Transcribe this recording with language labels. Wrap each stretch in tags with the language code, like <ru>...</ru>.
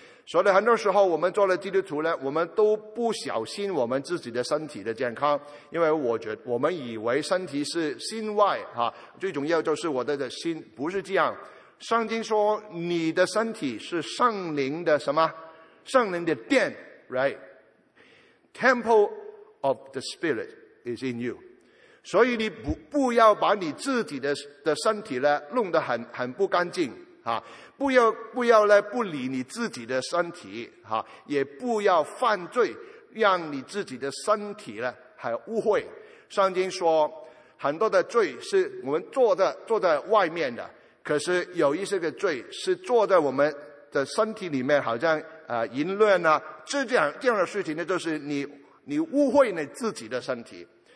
<zh>所以很多时候我们做了基督徒呢，我们都不小心我们自己的身体的健康，因为我们以为身体是心外啊，最重要就是我的心，不是这样。圣经说，你的身体是圣灵的什么？圣灵的殿，</zh> <en>right? Temple of the Spirit is in you.</en> <zh>所以你 不要把你自己的身体呢弄得 很不干净、啊、不要不理你自己的身体、啊、也不要犯罪，让你自己的身体呢还污秽。圣经说很多的罪是我们坐在外面的，可是有一些的罪是坐在我们的身体里面，好像淫乱啊，这样的事情呢，就是你污秽你自己的身体。</zh>